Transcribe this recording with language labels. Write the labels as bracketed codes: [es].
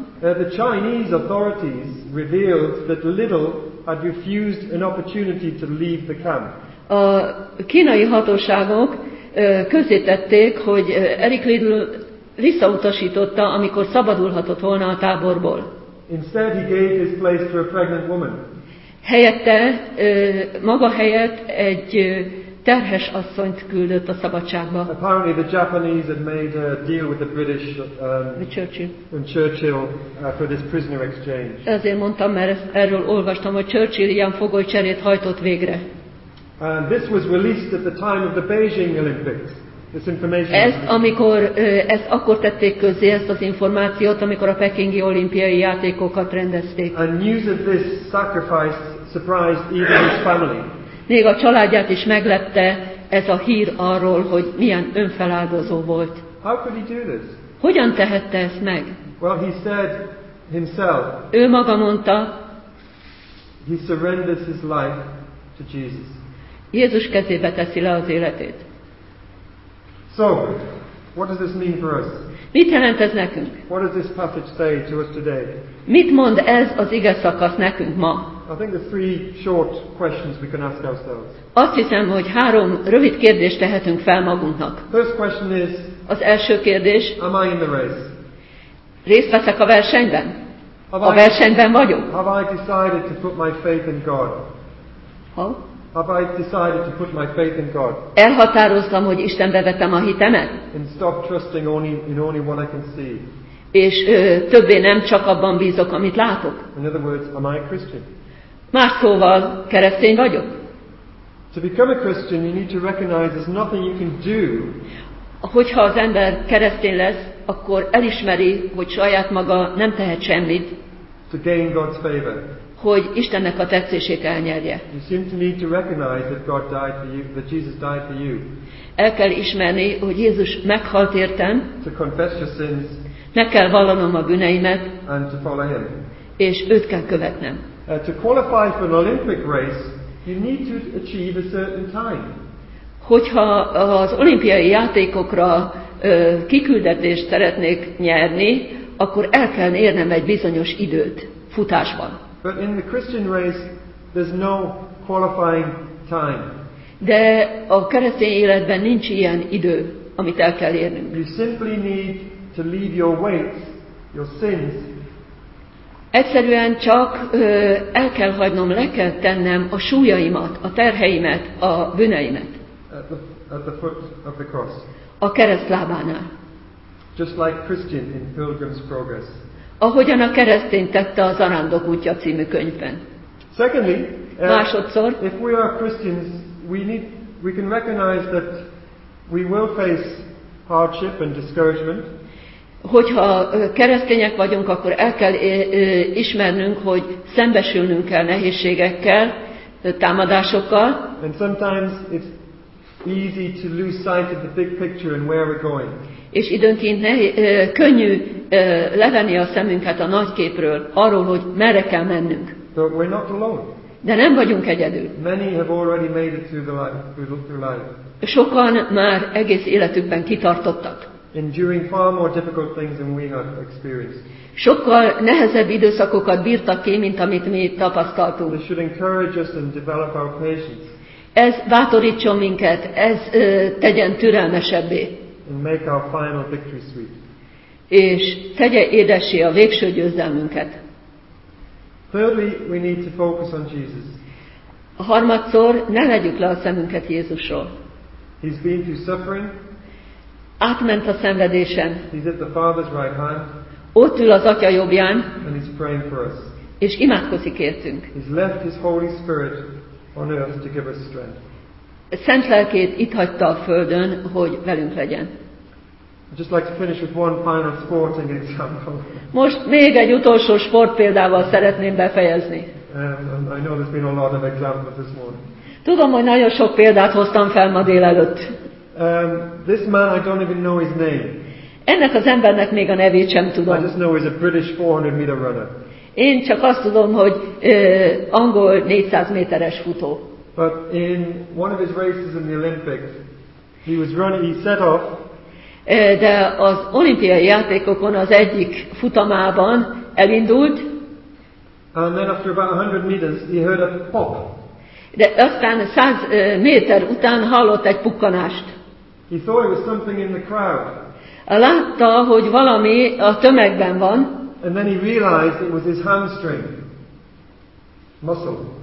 [en] the Chinese authorities revealed that Little had refused an opportunity to leave the camp. [hu] A kínai hatóságok közzétették, hogy Eric Little visszautasította, amikor szabadulhatott volna a táborból. [en] Instead, he gave his place to a pregnant woman. [hu] Helyette, maga helyett egy terhes asszonyt küldött a szabadságba. [en] Apparently, the Japanese had made a deal with the British and Churchill for this prisoner exchange. [hu] Ezért mondtam, mert erről olvastam, hogy Churchill ilyen fogolycserét hajtott végre. [en] And this was released at the time of the Beijing Olympics. This information. [hu] Ezt amikor ezt akkor tették közzé, ezt az információt, amikor a pekingi olimpiai játékokat rendezték. [en] And news of this sacrifice surprised even his family. [hu] Még a családját is meglepte ez a hír arról, hogy milyen önfeláldozó volt. [en] How could he do this? [hu] Hogyan tehette ezt meg? [en] Well, he said himself. [hu] Ő maga mondta. [en] He surrenders his life to Jesus. [hu] Jézus kezébe teszi le az életét. [en] So, what does this mean for us? [hu] Mit jelent ez nekünk? [en] What does this passage say to us today? [hu] Mit mond ez az ige szakasz nekünk ma? [en] I think there are three short questions we can ask ourselves. [hu] Azt hiszem, hogy három rövid kérdést tehetünk fel magunknak. [en] First question is, [hu] az első kérdés, [en] am I in the race? [hu] Részt veszek a versenyben? A versenyben vagyok? [en] Have I decided to put my faith in God? Have I decided to put my faith in God? [hu] Elhatároztam, hogy Istenbe vetem a hitemet? [en] And stop trusting only in only what I can see. [hu] És többé nem csak abban bízok, amit látok. [en] In other words, am I a Christian? [hu] Más szóval, keresztény vagyok. [en] To become a Christian, you need to recognize there's nothing you can do. [hu] Hogyha az ember keresztény lesz, akkor elismeri, hogy saját maga nem tehet semmit. [en] To gain God's favor. [hu] Hogy Istennek a tetszését elnyerje. [en] You seem to need to recognize that God died for you, that Jesus died for you. [hu] El kell ismerni, hogy Jézus meghalt értem. [en] To confess your sins. [hu] Meg kell vallanom a bűneimet. [en] And to follow him. [hu] És őt kell követnem. [en] To qualify for an Olympic race, you need to achieve a certain time. [hu] Hogyha az olimpiai játékokra kiküldetést szeretnék nyerni, akkor el kell érnem egy bizonyos időt futásban. [en] But in the Christian race, there's no qualifying time. [hu] De a keresztény életben nincs ilyen idő, amit el kell érnünk. [en] You simply need to leave your weights, your sins. [hu] Egyszerűen csak el kell hagynom, le kell tennem a súlyaimat, a terheimet, a bűneimet. [en] At the foot of the cross. [hu] A keresztlábánál. [en] Just like Christian in Pilgrim's Progress. [hu] Ahogyan a keresztény tette a Zarándok útja című könyvben. [en] Secondly, [hu] másodszor, [en] if we are Christians, we can recognize that we will face hardship and discouragement. [hu] Hogyha keresztények vagyunk, akkor el kell ismernünk, hogy szembesülnünk kell nehézségekkel, támadásokkal. [en] And sometimes it's easy to lose sight of the big picture and where we're going. [hu] És időnként könnyű levenni a szemünket a nagy képről, arról, hogy merre kell mennünk. [en] But we're not alone. [hu] De nem vagyunk egyedül. [en] Many have already made it through the life, through life. [hu] Sokan már egész életükben kitartottak. [en] Enduring far more difficult things than we have experienced. [hu] Sokkal nehezebb időszakokat bírtak ki, mint amit mi tapasztaltunk. [en] This should encourage us and develop our patience. [hu] Ez bátorítson minket, ez tegyen türelmesebbé. [en] And make our final victory sweet. [hu] És tegye édessé a végső győzelmünket. [en] Thirdly, we need to focus on Jesus. [hu] Harmadszor ne vegyük le a szemünket Jézusról. [en] He's been through suffering. [hu] Átment a szenvedésen. [en] He's at the Father's right hand. [hu] Ott ül az Atya jobbján. [en] And he's praying for us. [hu] És imádkozik értünk. [en] He's left his Holy Spirit on earth to give us strength. [hu] Szent lelkét itt hagyta a földön, hogy velünk legyen. [en] I'd just like to finish with one final sporting example. [hu] Most még egy utolsó sportpéldával szeretném befejezni. [en] I know there's been a lot of examples this morning. [hu] Tudom, hogy nagyon sok példát hoztam fel ma délelőtt. [en] This man, I don't even know his name. [hu] Ennek az embernek még a nevét sem tudom. [en] I just know he's a British 400 meter runner. [hu] Én csak azt tudom, hogy angol 400 méteres futó. [en] But in one of his races in the Olympics, he was running, he set off. [hu] De az olimpiai játékokon az egyik futamában elindult. [en] And then after about 100 meters, he heard a pop. [hu] De aztán 100 méter után hallott egy pukkanást. [en] He thought it was something in the crowd. [hu] Látta, hogy valami a tömegben van. [en] And then he realized it was his hamstring muscle.